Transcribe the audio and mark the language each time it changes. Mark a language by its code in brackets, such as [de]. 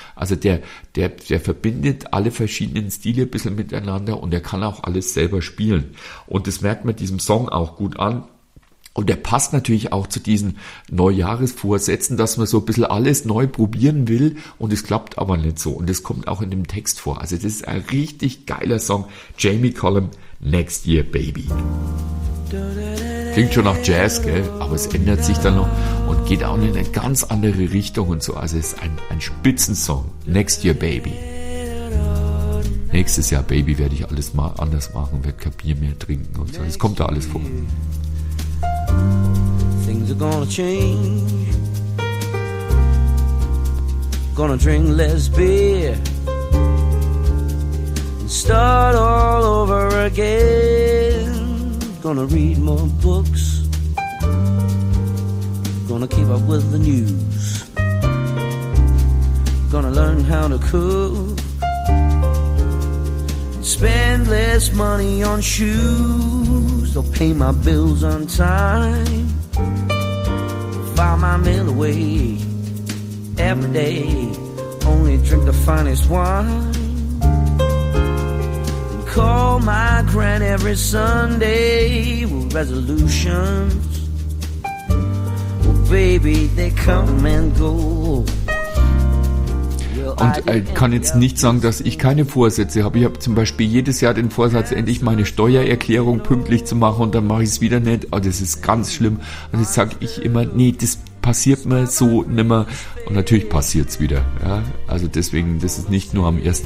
[de] Also der verbindet alle verschiedenen Stile ein bisschen miteinander und er kann auch alles selber spielen. Und das merkt man diesem Song auch gut an. Und der passt natürlich auch zu diesen Neujahresvorsätzen, dass man so ein bisschen alles neu probieren will und es klappt aber nicht so. Und das kommt auch in dem Text vor. Also das ist ein richtig geiler Song. Jamie Cullum, Next Year Baby. Klingt schon nach Jazz, gell? Aber es ändert sich dann noch und geht auch in eine ganz andere Richtung und so. Also es ist ein Spitzensong. Next Year Baby. Nächstes Jahr Baby werde ich alles mal anders machen, werde kein Bier mehr trinken und so. Es kommt da alles vor. [en] Things are gonna change. Gonna drink less beer and start all over again. Gonna read more books. Gonna keep up with the news. Gonna learn how to cook and spend less money on shoes. I'll pay my bills on time, buy my meal away every day, only drink the finest wine, and call my grand every Sunday with resolutions. Well, baby, they come and go. [de] Und kann jetzt nicht sagen, dass ich keine Vorsätze habe. Ich habe zum Beispiel jedes Jahr den Vorsatz, endlich meine Steuererklärung pünktlich zu machen und dann mache ich es wieder nicht. Oh, das ist ganz schlimm. Und jetzt sage ich immer, nee, das passiert mir so nimmer. Und natürlich passiert es wieder. Ja? Also deswegen, das ist nicht nur am 1.